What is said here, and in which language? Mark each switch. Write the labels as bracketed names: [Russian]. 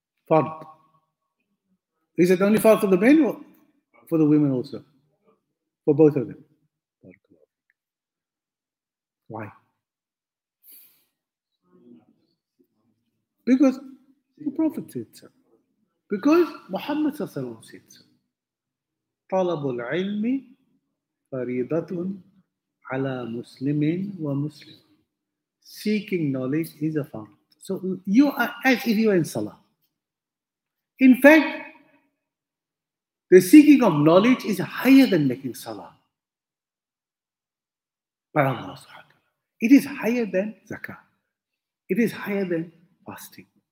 [English] Fard. Is it only fard for the men or for the women also? For both of them. Why? Because the Prophet said so. Because Muhammad said so. [Arabic] طلب العلم فريضة على مسلم ومسلم. [English] Seeking knowledge is a farm. So you are as if you are in Salah. In fact, the seeking of knowledge is higher than making Salah. It is higher than zakah. It is higher than fasting.